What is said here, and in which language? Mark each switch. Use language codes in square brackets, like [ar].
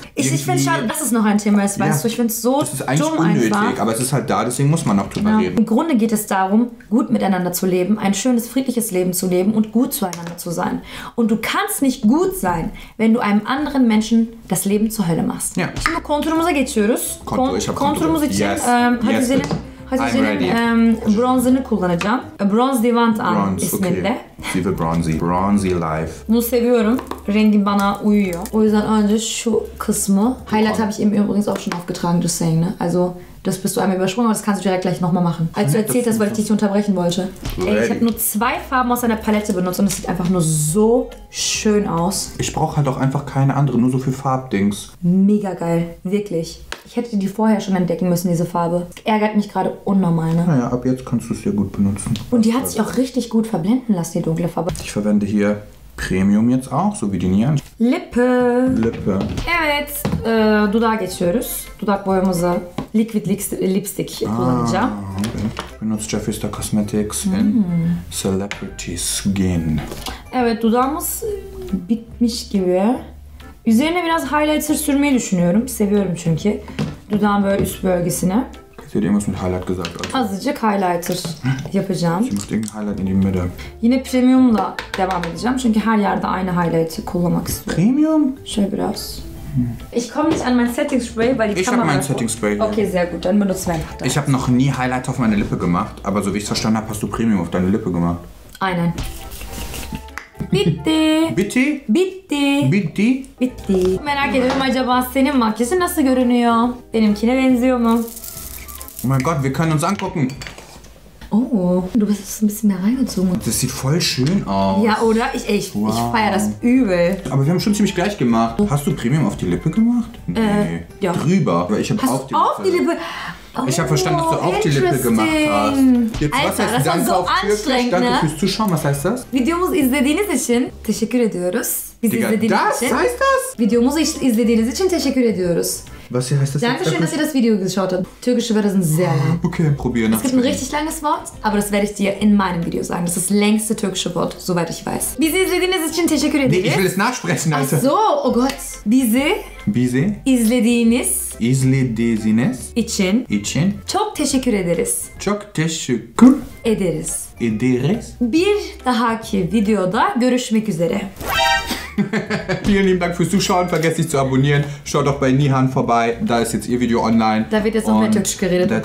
[de] ich finde schade, dass es noch ein Thema ist, weißt du? Ich finde es so dumm einfach. Das ist eigentlich unnötig, aber es ist halt da, deswegen muss man auch drüber reden. Im Grunde geht es darum, gut miteinander zu leben, ein schönes, friedliches Leben zu leben und gut zueinander zu sein. Und du kannst nicht gut sein, wenn du einem anderen Menschen das Leben zur Hölle machst. Ja. Schon mal [tr] Konturumuza geçiyoruz. Konturumuza geçiyoruz. Hadi senin bronzunu kullanacağım. Bronze Divant An isminde. [en] Okay. Viva Bronzy. Bronzy Life. [tr] Bunu seviyorum. Rengi bana uyuyor. O yüzden önce şu kısmı. [de] Highlight habe ich eben übrigens auch schon aufgetragen, [en] just saying, [de] ne? Also, das bist du einmal übersprungen, aber das kannst du direkt gleich nochmal machen. Als du erzählt hast, weil ich dich unterbrechen wollte. Ey, ich habe nur zwei Farben aus einer Palette benutzt und es sieht einfach nur so schön aus. Ich brauche halt auch einfach keine andere, nur so für Farbdings. Mega geil, wirklich. Ich hätte die vorher schon entdecken müssen, diese Farbe. Ärgert mich gerade unnormal, ne? Naja, ab jetzt kannst du es sehr gut benutzen. Und die hat sich auch richtig gut verblenden lassen, die dunkle Farbe. Ich verwende hier Premium jetzt auch, so wie die Nian. Lippe. [tr] Evet, Dudağa geçiyoruz. Dudakboyamızı Liquid Lipstick kullanacağım. [de] Okay. Benutzt Jeffree Star Cosmetics in Celebrity Skin. [tr] Evet, dudağımız bitmiş gibi. Üzerine biraz highlighter sürmeyi düşünüyorum. Seviyorum çünkü. Dudağın böyle üst bölgesine. Dediğim [de] was mit Highlight gesagt. Also. [tr] Azıcık highlighter yapacağım. [de] Ich mache den Highlight in die Mitte. [tr] Yine premiumla devam edeceğim. Çünkü her yerde aynı highlighter kullanmak istiyorum. [de] Premium? [tr] Şöyle biraz. [de] Ich komme nicht an mein Setting Spray, weil die ich Kamera... Ich habe mein Setting Spray. Okay, sehr gut. Dann benutzen wir einfach das. Ich habe noch nie Highlighter auf meine Lippe gemacht. Aber so wie ich es verstanden habe, hast du Premium auf deine Lippe gemacht. Einen. [tr] Bitti. Bitti. Bitti. Bitti. Bitti. Merak ediyorum acaba senin makyajın nasıl görünüyor? Benimkine benziyor mu? [de] Oh mein Gott, wir können uns angucken. Oh, du bist ein bisschen mehr reingezogen. Das sieht voll schön aus. Ja, oder? Ich feiere das übel. Aber wir haben schon ziemlich gleich gemacht. Hast du Premium auf die Lippe gemacht? Nee. Ja. Drüber. Weil ich hast auf du die auf die Lippe? Oh, ich habe verstanden, dass du auf die Lippe gemacht hast. Jetzt, Alter, was heißt das danke so auf anstrengend, danke, ne? Danke fürs Zuschauen, was heißt das? [tr] Videomuz izlediğiniz için teşekkür ediyoruz. [de] Digga, das [tr] için. [de] Heißt das? [tr] Videomuz izlediğiniz için teşekkür ediyoruz. [de] Was hier heißt das? Dankeschön, dass ihr das Video geschaut habt. Türkische Wörter sind sehr lang. Okay, probieren. Es gibt ein richtig langes Wort, aber das werde ich dir in meinem Video sagen. Das ist das längste türkische Wort, soweit ich weiß. [tr] Bizi izlediğiniz için teşekkür ederiz. [de] Nee, ich will es nachsprechen, Alter. Ach so, oh Gott. [tr] Bizi izlediğiniz için çok teşekkür ederiz. Çok teşekkür ederiz. Ederiz. Bir dahaki videoda görüşmek üzere. [de] Vielen lieben Dank fürs Zuschauen. Vergesst nicht zu abonnieren. Schaut doch bei Nihan vorbei. Da ist jetzt ihr Video online. Da wird jetzt noch mehr Türkisch geredet.